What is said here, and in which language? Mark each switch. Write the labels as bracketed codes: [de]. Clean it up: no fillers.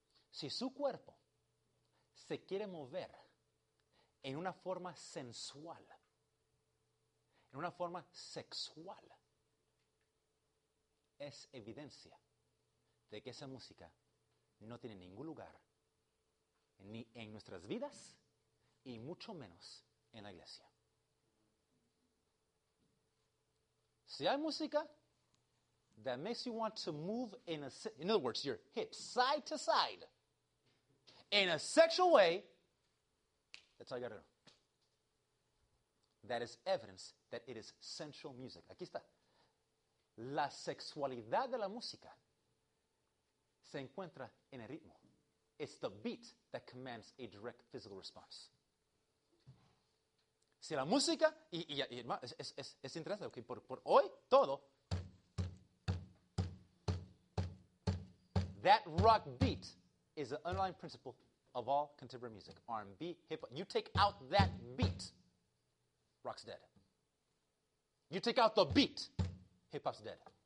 [es] Si su cuerpo se quiere mover en una forma sensual, en una forma sexual, es evidencia de que esa música no tiene ningún lugar ni en nuestras vidas y mucho menos en la iglesia. Si hay música [en] that makes you want to move in a, in other words, your hips side to side in a sexual way, that's all you got to do. That is evidence that it is sensual music. [es] Aquí está. La sexualidad de la música se encuentra en el ritmo. [en] It's the beat that commands a direct physical response. [es] Si la música, y es interesante, okay, por hoy, todo. [en] That rock beat is the underlying principle of all contemporary music. R&B, hip hop. You take out that beat, rock's dead. You take out the beat, hip hop's dead.